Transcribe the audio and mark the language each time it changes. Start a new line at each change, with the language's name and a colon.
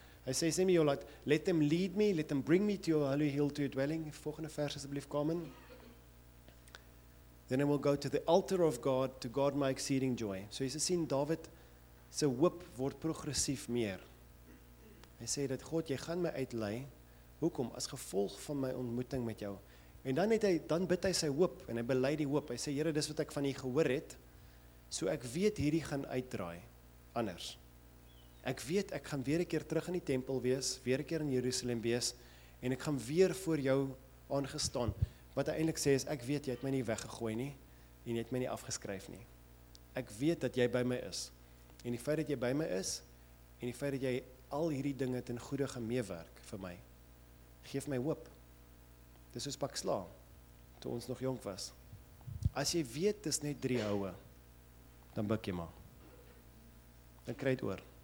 Afrikaans: Hy sê, sê jou,
English: let him lead me, let him bring me to your holy hill, to your dwelling.
Afrikaans: Volgende vers asseblief,
English: Carmen. Then I will go to the altar of God, to God my exceeding joy.
Afrikaans: So jy sien, Dawid, sy hoop word progressief meer. Hy sê dat God, jy gaan my uitlei, hoekom, as gevolg van my ontmoeting met jou. En dan het hy, dan bid hy sy hoop, en hy belei die hoop. Hy sê, Here, dis wat ek van u gehoor het, so ek weet hierdie gaan uitdraai, anders. Ek weet, ek gaan weer een keer terug in die tempel wees, weer een keer in Jerusalem wees, en ek gaan weer voor jou aangestaan. Wat hy eintlik sê is, ek weet, jy het my nie weggegooi nie, en jy het my nie afgeskryf nie. Ek weet dat jy by my is. En die feit dat jy by my is, en die feit dat jy al hierdie dinge ten goede gaan meewerk vir my, geef my hoop. Dis soos pak sla, toe ons nog jong was. As jy weet, dis net drie houwe, dan buk jy maar. Dan kry het oor.